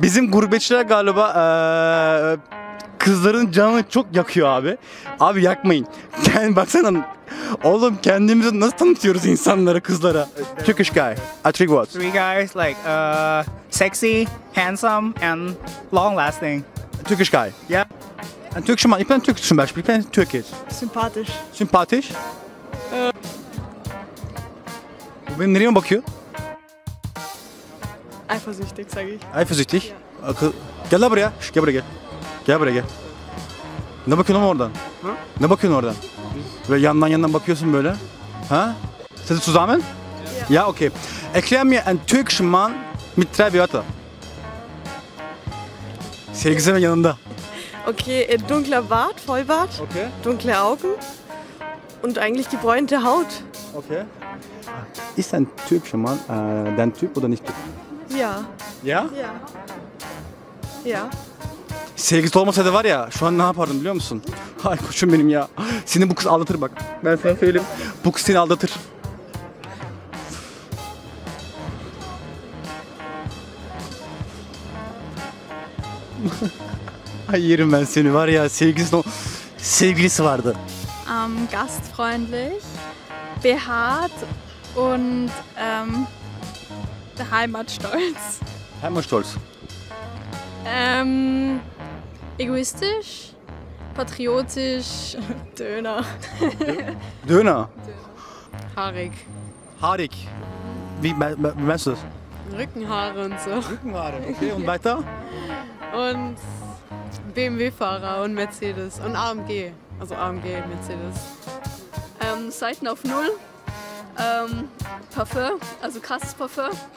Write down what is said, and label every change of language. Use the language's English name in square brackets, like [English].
[Turkish] Bizim gurbetçiler galiba. Kızların canını çok yakıyor abi. Abi yakmayın. Yani baksana. Oğlum kendimizi nasıl tanıtıyoruz insanlara, kızlara? [English] Turkish guy. A three words. Three guys like sexy, handsome and long lasting. Turkish guy. Yeah. [German] Ein türkischer Mann. Ich bin Türk zum Beispiel. Ich bin türkisch. Sympathisch. Sympathisch? [Turkish] Benim nereye mi bakıyor? [German] Eifersüchtig, sag ich. Eifersüchtig? Ja. [Turkish] Gel lan buraya. Gel buraya gel. Gel buraya gel. Ne bakıyorsun oradan? Hı? Ne bakıyorsun oradan? Ve yandan yandan bakıyorsun böyle. [German] Ha? [Turkish] Sizi [German] zusammen? Ja. Ja, okay. Erklär mir einen türkischen Mann mit drei Wörtern. [Turkish] Sevgisinin yanında. [German] Okay, dunkler Bart, Vollbart. Okay. Dunkle Augen. Und eigentlich gebräunte Haut. Okay. Ist ein türkischer Mann dein Typ oder nicht? Ja. Ja? Ja. Ja. [Turkish] Sevgisi olmasaydı var ya, şu an ne yapardım biliyor musun? Ay koçum benim ya. Seni bu kız aldatır bak. Ben sana söyleyeyim. Bu kız seni aldatır. Ay yerim ben seni var ya, sevgilisi vardı. [German] gastfreundlich, behaart und heimatstolz. Heimatstolz? Egoistisch, patriotisch, Döner. Döner? Haarig. Haarig. Wie meinst du das? Rückenhaare und so. Rückenhaare, okay. Und weiter? Und BMW-Fahrer und Mercedes und AMG. Also AMG, Mercedes. Seiten auf Null. Parfum, also krasses Parfum.